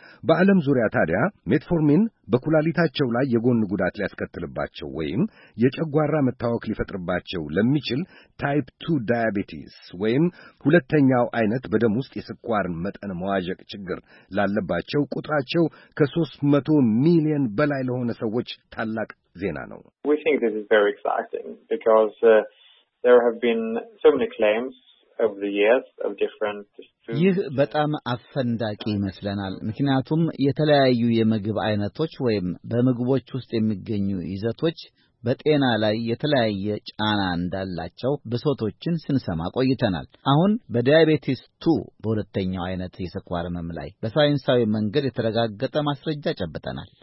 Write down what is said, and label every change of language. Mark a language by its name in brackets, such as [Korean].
[Amharic] በዓለም ዙሪያ ታዲያ ሜትፎርሚን በኩላሊታቸው ላይ የጎን ጉዳት ሊያስከትልባቸው ወይም የጨጓራ መታወክ ሊፈጥርባቸው ለሚችል ታይፕ 2 ዳያቤቲስ ወይም ሁለተኛው አይነት በደም ውስጥ የስኳር መጠን መዋዠቅ ችግር ላለባቸው ቁጥራቸው ከ300 ሚሊዮን በላይ ለሆነ ሰዎች ታላቅ ዜና ነው። [English] We think this is very exciting because there have been so many claims over the years of different foods. [Amharic] ይህ በጣም አፈንዳቂ ይመስለናል። ምክንያቱም የተለያዩ የምግብ አይነቶች ወይም በምግቦች ውስጥ የሚገኙ ይዘቶች በጤና ላይ የተለያየ ጫና እንዳላቸው በሶቶችን ስንሰማ ቆይተናል። አሁን በዳያቤቲስ 2 በሁለተኛው አይነት የስኳር ህመም ላይ በሳይንሳዊ መንገድ የተረጋገጠ ማስረጃ ጨብጠናል።